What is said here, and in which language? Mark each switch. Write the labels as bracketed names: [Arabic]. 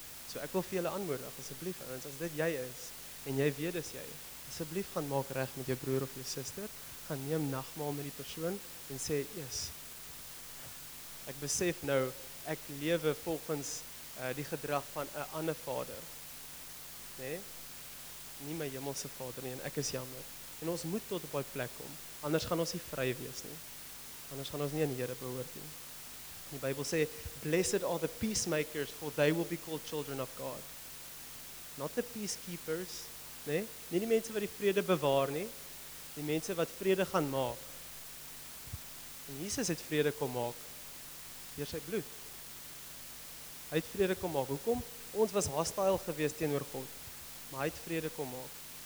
[Afrikaans] So ek wil vir julle aanmoedig, asseblief, as dit jy is, en jy weet is jy, asseblief gaan maak reg met jou broer of jou sister, gaan neem nagmaal met die persoon, en sê, yes, ek besef nou, ek lewe volgens die gedrag van 'n ander vader. Nee? Nie my hemelse vader nie, en ek is jammer. En ons moet tot op die plek kom, anders gaan ons nie vry wees nie. Anders gaan ons nie aan die Here behoort nie. Die Bybel sê, [English] blessed are the peacemakers, for they will be called children of God. Not the peacekeepers, [Afrikaans] nee? Nie die mense wat die vrede bewaar nie, die mense wat vrede gaan maak. En Jesus het vrede kom maak, deur sy bloed. Hy het vrede kom maak. Hoekom? Ons was hostile geweest teenoor God, maar hy het vrede kom maak.